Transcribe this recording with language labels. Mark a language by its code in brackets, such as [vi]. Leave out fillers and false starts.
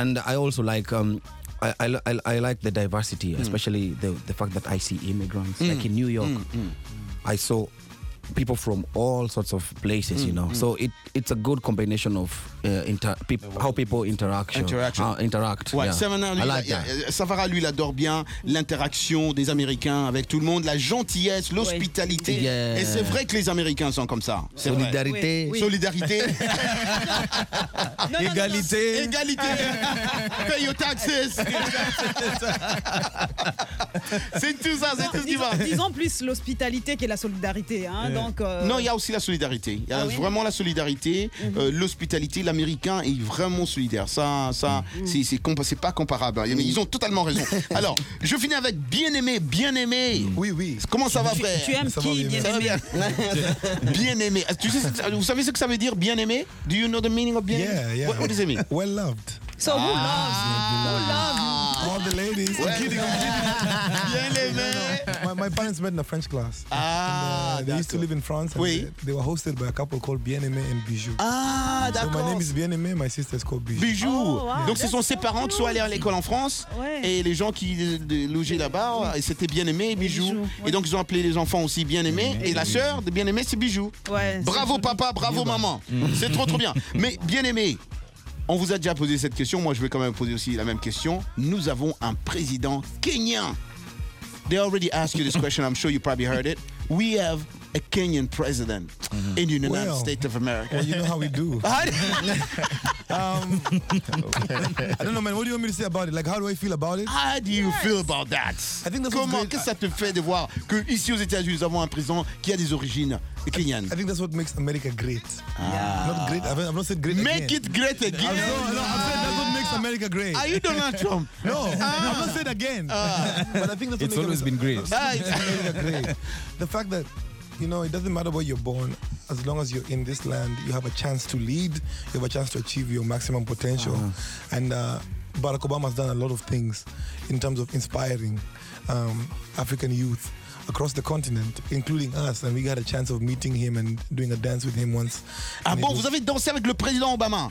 [en] And I also like... I like the diversity, especially the fact that I see immigrants. Mm. Like in New York, I saw people from all sorts of places, you know. Mm. So it's a good combination of how people interact. [fr] Ouais, [en] yeah. [fr] Savannah, lui, [en] I like that. [fr] Savannah, lui, il adore bien l'interaction des Américains avec tout le monde, la gentillesse, l'hospitalité. Oui. Yeah. Et c'est vrai que les Américains sont comme ça. C'est solidarité. Oui. Oui. Solidarité. Non. Égalité. Non. [en] Égalité. Pay your taxes. [fr] C'est tout ça, c'est tout ce qui va. Disons plus l'hospitalité que la solidarité. Hein. Ouais. Donc, non, il y a aussi la solidarité. Il y a vraiment la solidarité, l'hospitalité. L'Américain est vraiment solidaire. C'est pas comparable. Ils ont totalement raison. Alors, je finis avec bien aimé. Oui, oui. Comment ça va, frère? Tu aimes ça qui, bien aimé. Tu sais, vous savez ce que ça veut dire, bien aimé? [en] Do you know the meaning of bien aimé? Yeah, yeah. What does it mean? Well loved. So who loves? All the ladies. Well, I'm kidding. [fr] Bien aimé. [en] My parents met in a French class. They used to live in France. And they were hosted by a couple called Bien-Aimé and Bijou. [fr] D'accord. [en] So my name is Bien-Aimé, my sister is called Bijou. Bijou. Oh, wow. [fr] Donc ce sont ses parents qui sont allés à l'école en France. Ouais. Et les gens qui logeaient là-bas, c'était Bien-Aimé et Bijou. Ouais. Et donc ils ont appelé les enfants aussi Bien-Aimé. Ouais. Et la sœur de Bien-Aimé, c'est Bijou. Ouais, bravo papa, bravo maman. C'est trop bien. Mais Bien-Aimé, on vous a déjà posé cette question. Moi, je vais quand même poser aussi la même question. Nous avons un président kényan. [en] They already asked you this question. I'm sure you probably heard it. We have a Kenyan president in the United States of America. Well, you know how we do. I don't know, man. What do you want me to say about it? Like, how do I feel about it? How do you feel about that? I think that's what makes... [fr] Comment, qu'est-ce que ça te fait de voir que ici aux États-Unis, nous avons un président qui a des origines kenyanes? [en] I think that's what makes America great. Not great. I've not said great make again. Make it great again. I've said that's what makes America great. Are you Donald Trump? No. I've not said again. But I think that's what it's makes always America, been great. It's America great. The fact that, you know, it doesn't matter where you're born, as long as you're in this land, you have a chance to lead, you have a chance to achieve your maximum potential. Uh-huh. And Barack Obama's done a lot of things in terms of inspiring African youth across the continent, including us, and we got a chance of meeting him and doing a dance with him once. [fr] Ah bon, vous avez dansé avec le président Obama?